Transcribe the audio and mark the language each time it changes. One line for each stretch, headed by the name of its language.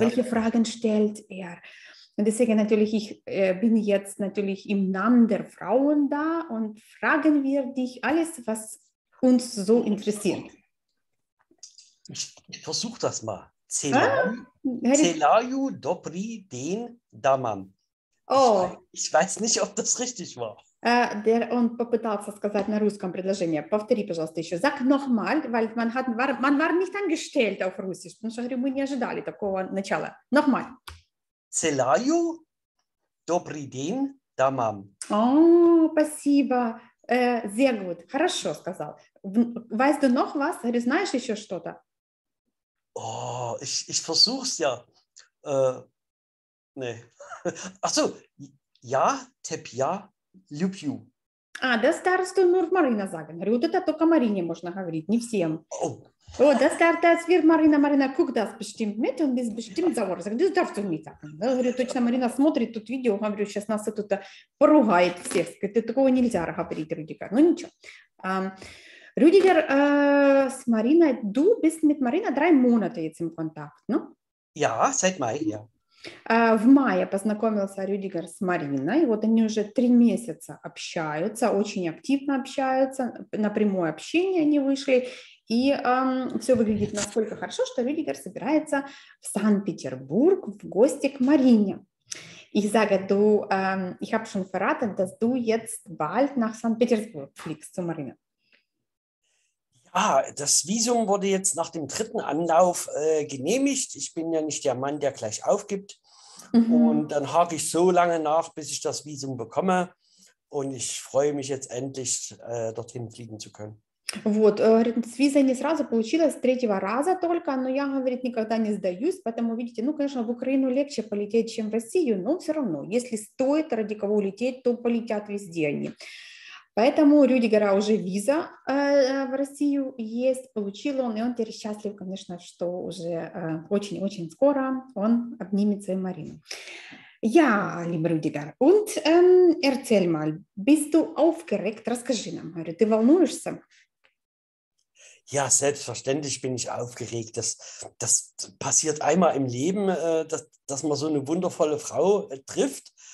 German: Welche Fragen stellt er? Und deswegen natürlich, bin jetzt natürlich im Namen der Frauen da und fragen wir dich alles, was uns so interessiert. Ich versuche das mal. Ah,
Russian: Celaju
German: hätte
Russian: dobri den Daman.
German: Ich Oh. weiß nicht, ob das richtig war. Der und
Russian: попытался сказать на русском предложение. Повтори, пожалуйста, еще.
German: Sag nochmal, weil man war nicht angestellt auf Russisch.
Russian: Потому что, говорю, мы не ожидали такого начала.
German: Nochmal.
Russian: Celaju dobri den Daman. Oh, спасибо.
German: Sehr gut.
Russian: Хорошо сказал.
German: Weißt du noch was?
Russian: Знаешь еще что-то?
German: Oh, ich versuch's ja. Nee. Ach so, ja,
Russian: tep ja, lüb ju.
German: Ah, das darfst du nur Marina sagen.
Russian: Вот это только Марине можно говорить, не всем. Oh.
German: Oh, das darf, das wird Marina.
Russian: Марина
German: guckt das bestimmt mit und ist bestimmt sauer. Sagt, das darfst du nicht sagen. Ich
Russian: говорю, точно, Марина смотрит тут видео. Говорю, сейчас нас тут поругает всех. Ты такого нельзя говорить, Рюдигер. Ну ничего. Рюдигер, с Мариной, du bist mit Marina 3 Monate jetzt im Kontakt, ne?
German: Ja, seit Mai, ja.
Russian: В мае познакомился Рюдигер с Мариной. Вот они уже 3 месяца общаются, очень активно общаются, на прямое общение они вышли. И все выглядит настолько хорошо, что Рюдигер собирается в Санкт-Петербург в гости к Марине.
German: Ich sage, du, ich habe schon verraten, dass du jetzt bald nach Санкт-Петербург fliegst zu Marine. Ah, das Visum wurde jetzt nach dem dritten Anlauf genehmigt. Ich bin ja nicht der Mann, der gleich aufgibt. Und dann hake ich so lange nach, bis ich das Visum bekomme. Und ich freue mich jetzt endlich, dorthin fliegen zu können.
Russian: Вот, говорит, с визой не сразу получилось, 3-го раза только, но я, говорит, никогда не сдаюсь, поэтому, видите, ну, конечно, в Украину легче полететь, чем в Россию, но все равно, если стоит ради кого улететь, то полетят везде они. Поэтому Рюдигера уже виза в Россию есть, получил он, и он теперь счастлив, конечно, что уже очень-очень скоро он обнимет свою Марину.
German: Ja, lieber Rüdiger, und erzähl mal, bist du aufgeregt?
Russian: Расскажи нам, говорю, ты волнуешься?
German: Ja, selbstverständlich bin ich aufgeregt. Das passiert einmal im Leben, dass man so eine wundervolle Frau trifft.